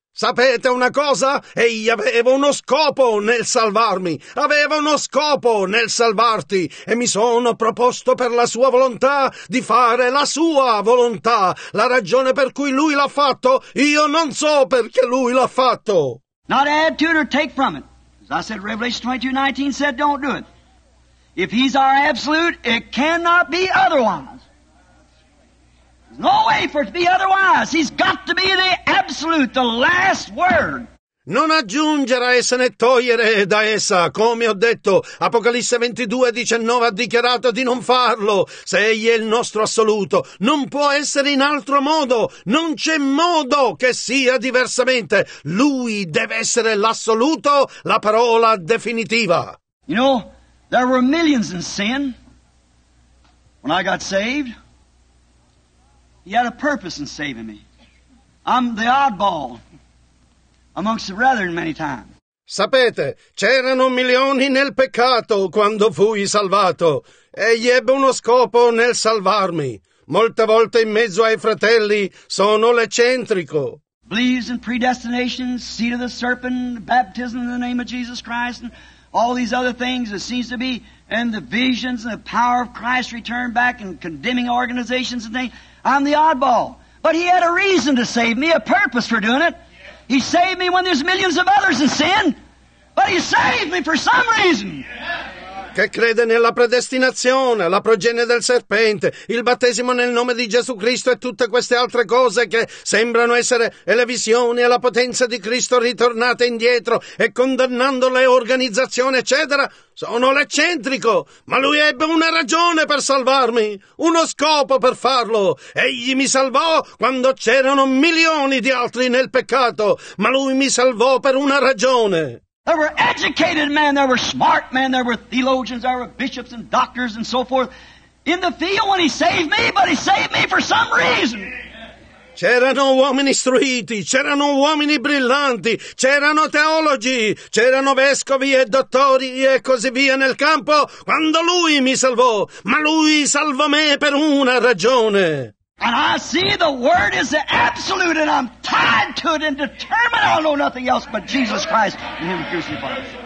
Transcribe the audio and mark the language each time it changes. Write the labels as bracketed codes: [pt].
[it] Sapete una cosa? Egli aveva uno scopo nel salvarmi. Aveva uno scopo nel salvarti. E mi sono proposto per la sua volontà di fare la sua volontà. La ragione per cui Lui l'ha fatto, io non so perché Lui l'ha fatto. [en] Not add to it or take from it. As I said, Revelation 22:19 said, don't do it. If He's our absolute, it cannot be otherwise. There's no way for it to be otherwise. He's got to be the absolute, the last word. [it] Non aggiungere a essa né togliere da essa. Come ho detto, Apocalisse 22:19 ha dichiarato di non farlo. Se Egli è il nostro assoluto, non può essere in altro modo. Non c'è modo che sia diversamente. Lui deve essere l'assoluto, la parola definitiva. [en] You know, there were millions in sin when I got saved. He had a purpose in saving me. I'm the oddball amongst the brethren many times. [it] Sapete, c'erano milioni nel peccato quando fui salvato. Egli ebbe uno scopo nel salvarmi. Molte volte in mezzo ai fratelli sono l'eccentrico. [en] Believes in predestination, seed of the serpent, baptism in the name of Jesus Christ, and all these other things that seems to be, and the visions and the power of Christ returned back and condemning organizations and things. I'm the oddball. But he had a reason to save me, a purpose for doing it. He saved me when there's millions of others in sin. But he saved me for some reason. [it] Che crede nella predestinazione, la progenie del serpente, il battesimo nel nome di Gesù Cristo e tutte queste altre cose che sembrano essere le visioni e la potenza di Cristo ritornate indietro e condannando le organizzazioni, eccetera, sono l'eccentrico. Ma lui ebbe una ragione per salvarmi, uno scopo per farlo. Egli mi salvò quando c'erano milioni di altri nel peccato, ma lui mi salvò per una ragione. [en] There were educated men, there were smart men, there were theologians, there were bishops and doctors and so forth in the field when he saved me, but he saved me for some reason. [it] C'erano uomini istruiti, c'erano uomini brillanti, c'erano teologi, c'erano vescovi e dottori e così via nel campo quando lui mi salvò, ma lui salvò me per una ragione. [en] And I see the word is the absolute and I'm tied to it and determined I'll know nothing else but Jesus Christ and Him crucified.